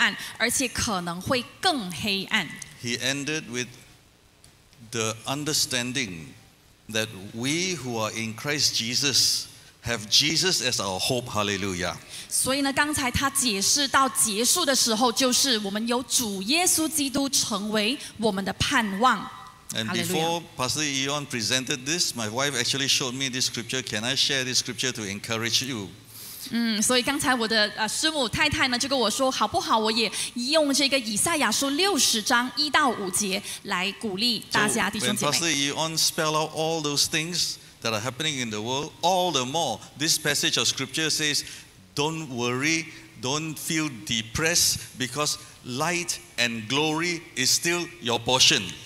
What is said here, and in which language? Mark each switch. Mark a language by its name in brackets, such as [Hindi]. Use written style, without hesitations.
[Chinese] 所以刚才秀牧师呢是非常好的一个分享，分析告诉我们说呢，其实世界它其实是很幽暗，而且可能会更黑暗。He [English] ended with the understanding that we who are in Christ Jesus have Jesus as our hope. Hallelujah. [Chinese] 所以呢，刚才他解释到结束的时候，就是我们有主耶稣基督成为我们的盼望。 [English] And before Pastor Eon presented this, my wife actually showed me this scripture. Can I share this scripture to encourage you? [Chinese] 所以刚才我的师母太太呢就跟我说，好不好？我也用这个以赛亚书六十章一到五节来鼓励大家弟兄姐妹。 [English] So when Pastor Eon spell out all those things that are happening in the world, all the more this passage of scripture says, "Don't worry, don't feel depressed, because light and glory is still your portion."